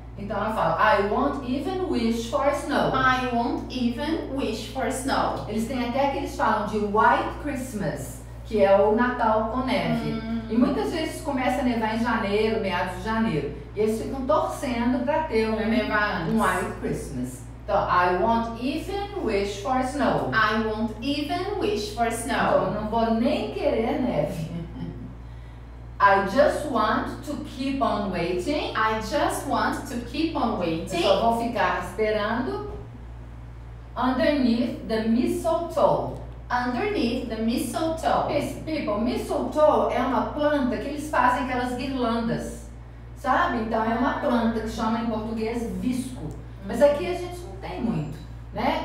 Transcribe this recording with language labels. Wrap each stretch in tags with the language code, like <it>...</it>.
<pt>Então, ela fala,</pt> <en>I won't even wish for snow. I won't even wish for snow.</en> <pt>Eles têm até que eles falam de White Christmas, que é o Natal com neve. E muitas vezes começa a nevar em janeiro, meados de janeiro. E eles ficam torcendo para ter um White Christmas. Então,</pt> <en>I won't even wish for snow. I won't even wish for snow.</en> <pt>Então, eu não vou nem querer neve.</pt> <en>I just want to keep on waiting. I just want to keep on waiting.</en> <pt>Eu só vou ficar esperando.</pt> <en>Underneath the mistletoe. Underneath the mistletoe. People,</en> <pt>mistletoe é uma planta que eles fazem aquelas guirlandas, sabe? Então é uma planta que chama em português visco. Mas aqui a gente não tem muito, né?</pt>